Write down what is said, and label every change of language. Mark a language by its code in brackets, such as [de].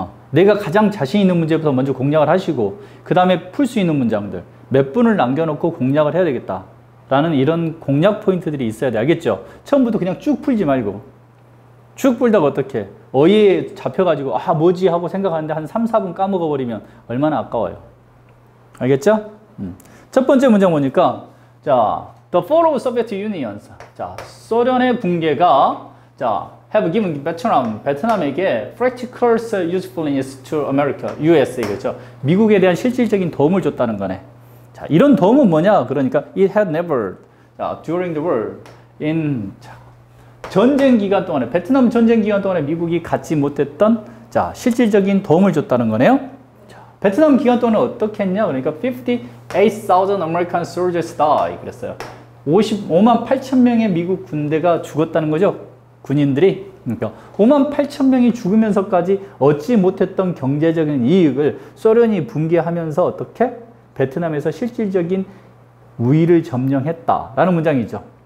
[ko] 내가 가장 자신 있는 문제부터 먼저 공략을 하시고 그 다음에 풀 수 있는 문장들 몇 분을 남겨놓고 공략을 해야 되겠다 라는 이런 공략 포인트들이 있어야 돼. 알겠죠? 처음부터 그냥 쭉 풀지 말고 쭉 풀다가 어떻게 어휘에 잡혀가지고 아 뭐지 하고 생각하는데 한 3, 4분 까먹어버리면 얼마나 아까워요. 알겠죠? 첫 번째 문장 보니까 자 [en] The fall of Soviet Union. 자, [ko] 소련의 붕괴가 자, [en] have given Vietnam, [ko] 베트남에게 [en] practical usefulness to America, US. [ko] 그렇죠? 미국에 대한 실질적인 도움을 줬다는 거네. 자, 이런 도움은 뭐냐? 그러니까 [en] it had never during the war in [ko] 자, 전쟁 기간 동안에 베트남 전쟁 기간 동안에 미국이 갖지 못했던 자, 실질적인 도움을 줬다는 거네요. 자, 베트남 기간 동안에 어떻게 했냐? 그러니까 [en] 58,000 American soldiers died. [ko] 그랬어요. 55만 8천 명의 미국 군대가 죽었다는 거죠. 군인들이. 그러니까 5만 8천 명이 죽으면서까지 얻지 못했던 경제적인 이익을 소련이 붕괴하면서 어떻게 베트남에서 실질적인 우위를 점령했다라는 문장이죠.